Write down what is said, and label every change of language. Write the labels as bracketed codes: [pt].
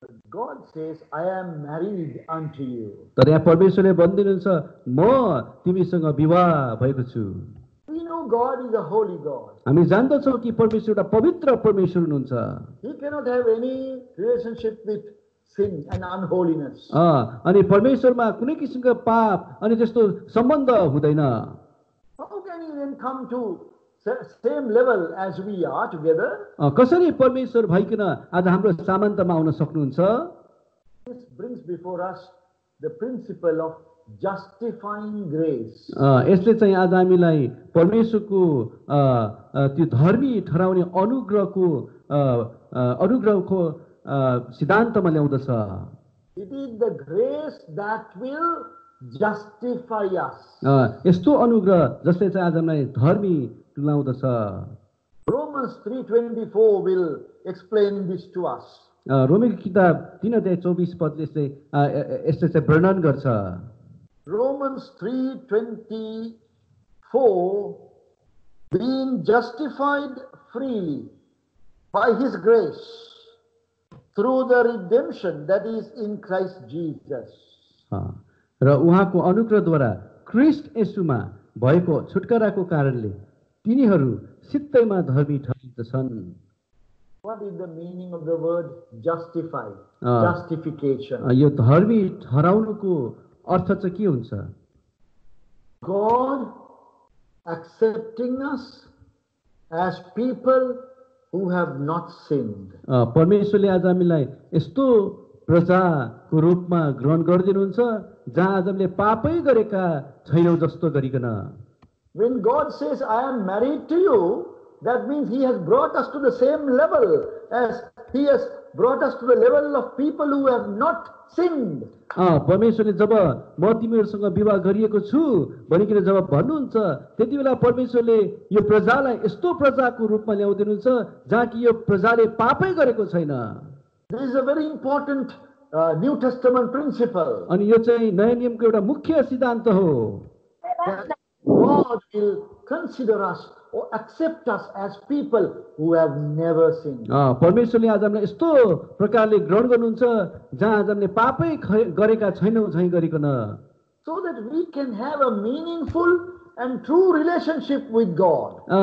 [en] God says, I am married unto you. [ne] तर यहाँ परमेश्वरले भन्दिनुहुन्छ म तिमीसँग विवाह भएको छु. [en] We know God is a holy God. [ne] हामी जान्दछौ कि परमेश्वर एउटा पवित्र परमेश्वर हुनुहुन्छ. [en] He cannot have any relationship with sin and unholiness. [ne] अनि परमेश्वरमा कुनै किसिमको पाप अनि त्यस्तो सम्बन्ध हुँदैन. [en] How can he then come to same level as we are together? [ne] कसरी परमेश्वर भइकन आज हाम्रो समानतामा आउन सक्नुहुन्छ? [en] This brings before us the principle of justifying grace. [ne] यसले चाहिँ आज हामीलाई परमेश्वरको त्यो धर्मी ठहराउने अनुग्रहको अनुग्रहको सिद्धान्तमा ल्याउँदछ. [en] It is the grace that will justify us. [ne] यस्तो अनुग्रह जसले चाहिँ आज हामीलाई धर्मी तुल्याउँदछ. [en] Romans 3:24 will explain this to us. [ne] रोमीको किताब 3 अध्याय 24 पदले यसले चाहिँ वर्णन गर्छ. [en] Romans 3:24, being justified freely by his grace through the redemption that is in Christ Jesus. [ne] र उहाँको अनुग्रहद्वारा ख्रीष्ट येशूमा भएको छुटकाराको कारणले तिनीहरू सित्तैमा धर्मी ठहरिन्छन्. [en] What is the meaning of the word justify? Justification. [ne] यो धर्मी ठहराउनुको अर्थ चाहिँ के हुन्छ? [en] God accepting us as people who have not sinned. [ne] परमेश्वरले आज हामीलाई यस्तो प्रजाको रूपमा ग्रहण गरिदिनुहुन्छ जहाँ आज हामीले पापै गरेका छैनौँ जस्तो गरिकन. [en] When God says I am married to you, that means he has brought us to the same level as he has brought us to the level of people who have not sinned. [ne] परमेश्वरले जब म तिमीहरूसँग विवाह गरिएको छु भनिकन जब भन्नुहुन्छ त्यति बेला परमेश्वरले यो प्रजालाई यस्तो प्रजाको रूपमा ल्याउनुहुन्छ जहाँ कि यो प्रजाले पापै गरेको छैन. [en] This is a very important New Testament principle. [ne] अनि यो चाहिँ नयाँ नियमको एउटा मुख्य सिद्धान्त हो. [en] God will consider us or accept us as people who have never sinned. [ne] परमेश्वरले आज हामीलाई यस्तो प्रकारले ग्रहण गर्नुहुन्छ जहाँ आज हामीले पापै गरेका छैनौँ झैँ गरिकन. [en] So that we can have a meaningful and true relationship with God.